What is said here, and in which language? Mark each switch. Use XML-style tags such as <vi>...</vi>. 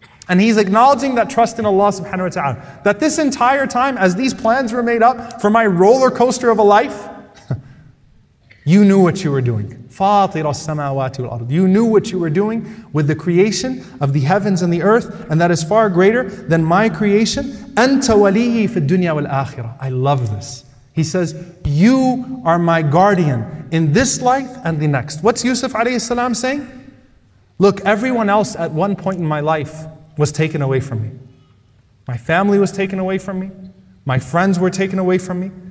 <en>And he's acknowledging that trust in Allah subhanahu wa ta'ala. That this entire time, as these plans were made up for my roller coaster of a life, you knew what you were doing.</en> <ar>فاطر السماوات والأرض.</ar> <en>You knew what you were doing with the creation of the heavens and the earth, and that is far greater than my creation.</en> <ar>أنت وليي في الدنيا والآخرة.</ar> <en>I love this. He says, you are my guardian in this life and the next. What's Yusuf alayhi salam saying? Look, everyone else at one point in my life was taken away from me. My family was taken away from me. My friends were taken away from me.</en>